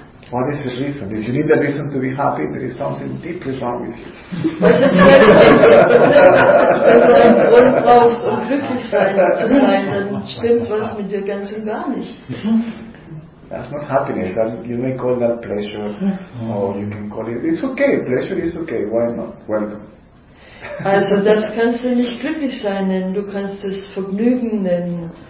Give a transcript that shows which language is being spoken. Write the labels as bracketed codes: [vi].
[en] What is the reason? If you need the reason to be happy, there is something deeply wrong with you. [de] Was ist denn, wenn du einen Grund brauchst, um glücklich zu sein, dann stimmt was mit dir ganz und gar nicht. [en] That's not happiness. That you may call that pleasure, or you can call it. It's okay. Pleasure is okay. Why not? Welcome. [de] Also das kannst du nicht glücklich sein nennen. Du kannst es Vergnügen nennen.